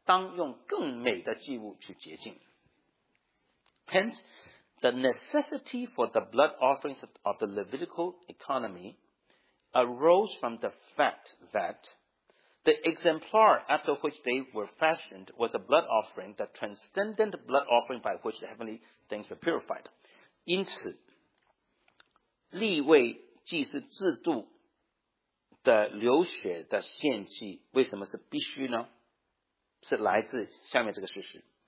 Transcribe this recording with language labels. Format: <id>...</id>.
<zh>希伯来书第九章第23节是这样说的：按照天上样式做的事情，物件必须用这些祭物去洁净，但那天上的本物自然当用更美的祭物去洁净。</zh> <en>Hence, the necessity for the blood offerings of the Levitical economy arose from the fact that the exemplar after which they were fashioned was a blood offering, the transcendent blood offering by which the heavenly things were purified.</en> <zh>因此，立位祭祀制度的流血的献祭为什么是必须呢？是来自下面这个事实。</zh>